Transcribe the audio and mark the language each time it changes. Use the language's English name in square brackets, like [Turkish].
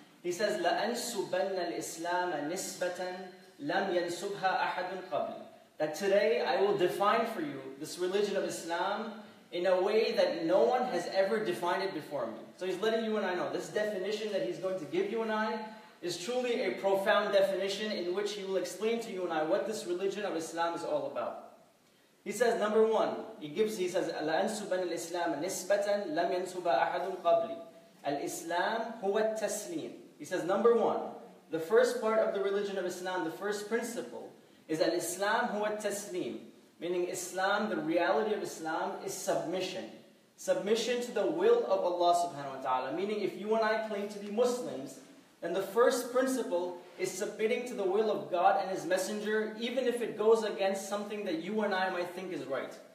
[English] He says, [Arabic] لَأَنْسُبَنَّ الْإِسْلَامَ نِسْبَةً لَمْ يَنْسُبْهَا أَحَدٌ قَبْلِ. [English] That today I will define for you this religion of Islam in a way that no one has ever defined it before me. So he's letting you and I know, this definition that he's going to give you and I is truly a profound definition in which he will explain to you and I what this religion of Islam is all about. He says, number one, he says, [Arabic] لَأَنْسُبَنَّ الْإِسْلَامَ نِسْبَةً لَمْ يَنْسُبَ أَحَدٌ قَبْلِ. الْإِسْلَامُ هُوَ التَّسْلِيمُ. [English] He says, number one, the first part of the religion of Islam, the first principle, is [Arabic] الْإِسْلَامُ هُوَ التَّسْلِيمُ. [English] Meaning Islam, the reality of Islam, is submission. Submission to the will of Allah subhanahu wa ta'ala. Meaning if you and I claim to be Muslims, then the first principle is submitting to the will of God and His Messenger, even if it goes against something that you and I might think is right.